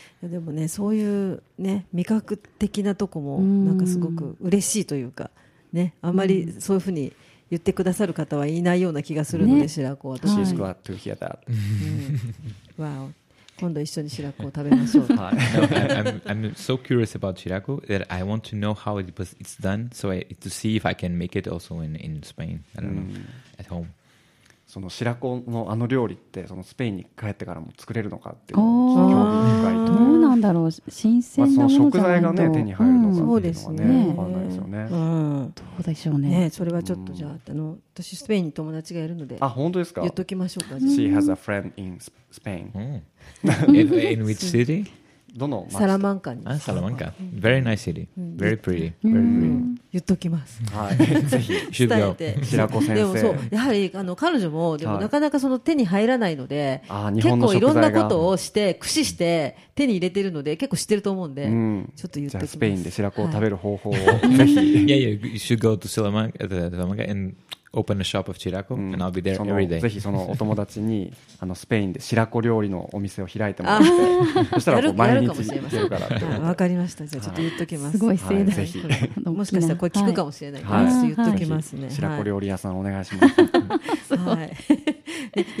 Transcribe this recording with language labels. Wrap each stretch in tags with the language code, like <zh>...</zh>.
<ja>でもね、そういうね味覚的なとこもなんかすごく嬉しいというかね、あんまりそういうふうに言ってくださる方はいないような気がするので、ね、白子は。</ja> <en>She's glad to hear that. Wow.</en> <ja>今度一緒に白子を食べましょう。</ja> <en>I'm so curious about 白子 that I want to know how it was it's done, so I, to see if I can make it also in Spain. I don't know at home.</en> <ja>その白子のあの料理ってそのスペインに帰ってからも作れるのかっていうのちょっと興味深いと。どうなんだろう、新鮮なものじゃないと。まあ、その食材がね手に入るのかっていうのは ね分かんないですよね。どうでしょうねそれはちょっとじゃあ、私スペインに友達がいるので。あ、本当ですか。言っときましょうか。</ja> <en>She has a friend in Spain. In which city?</en> <ja>どの？サラマンカに。</ja> <en>あ、サラマンカ。Very nice city. Very pretty. Very pretty.</en> <ja>言っときます。はい、ぜひ伝えて。白子先生。でもそう、やはりあの彼女もでもなかなかその手に入らないので、はい、あ、日本の食材が結構いろんなことをして駆使して手に入れてるので結構知ってると思うんで、うん、ちょっと言っときます。じゃあスペインで白子を食べる方法をぜひ。</ja> <en>Yeah, yeah. You should go to Salamanca and open a shop of 白子、and I'll be there every day.</en> <ja>ぜひそのお友達にあのスペインで白子料理のお店を開いてもらって、そしたらこう毎日行けるから。わかりました。じゃあちょっと言っときます。すごい盛大。ぜひ。もしかしたらこれ聞くかもしれないから、言っときますね。白子料理屋さんお願いします。はい。</ja>